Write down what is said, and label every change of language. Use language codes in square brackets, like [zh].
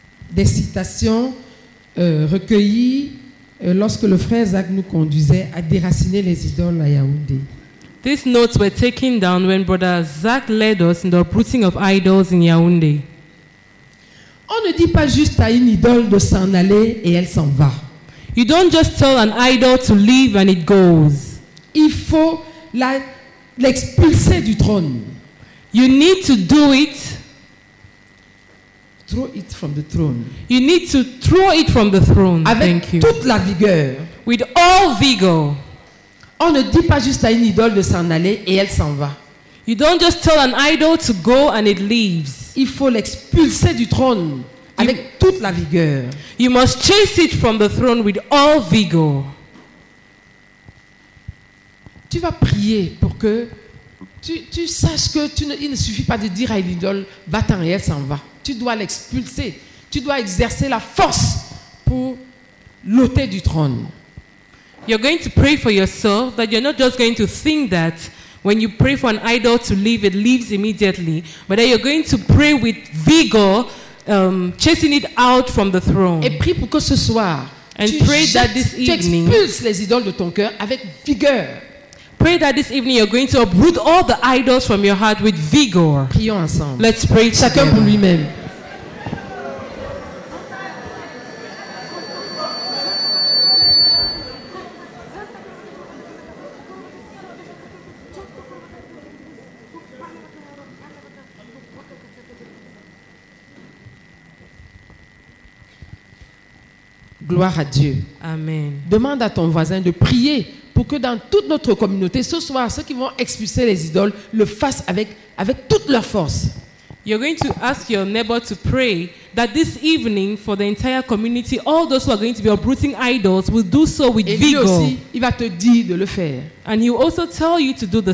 [fr] Des citations recueillies lorsque le frère Zach nous conduisait à déraciner les idoles à Yaoundé. [en] These notes were taken down when Brother Zach led us in the uprooting of idols in Yaoundé. [fr] On ne dit pas juste à une idole de s'en aller et elle s'en va. [en] You don't just tell an idol to leave and it goes. [fr] Il faut l'expulser du trône. [en] You need to do it. Throw it from the throne. You need to throw it from the throne. Thank you. [fr] Avec toute la vigueur. [en] With all vigor. [fr] On ne dit pas juste à une idole de s'en aller et elle s'en va. [en] You don't just tell an idol to go and it leaves. [fr] Il faut l'expulser du trône avec toute la vigueur. [en] You must chase it from the throne with all vigor. [fr] Tu vas prier pour que tu saches que il ne suffit pas de dire à une idole va-t'en et elle s'en va. Tu dois l'expulser. Tu dois exercer la force pour l'ôter du trône. [en] You're going to pray for yourself that you're not just going to think that when you pray for an idol to leave, it leaves immediately, but that you're going to pray with vigor, chasing it out from the throne. [fr] Et prie pour que ce soir, [en] and pray that this evening, [fr] tu expulses les idoles de ton cœur avec vigueur. [en] Pray that this evening you're going to uproot all the idols from your heart with vigor. [fr] Prions ensemble. [en] Let's pray [fr] chacun Pour lui-même. Gloire à Dieu. Amen. Demande à ton voisin de prier pour que dans toute notre communauté, ce soir, ceux qui vont expulser les idoles le fassent avec toute leur force. [en] You're going to ask your neighbor to pray that this evening for the entire community, all those who are going to be uprooting idols will do so with vigor. [fr] Et lui aussi, il va te dire de le faire. [en] And he will also tell you to do the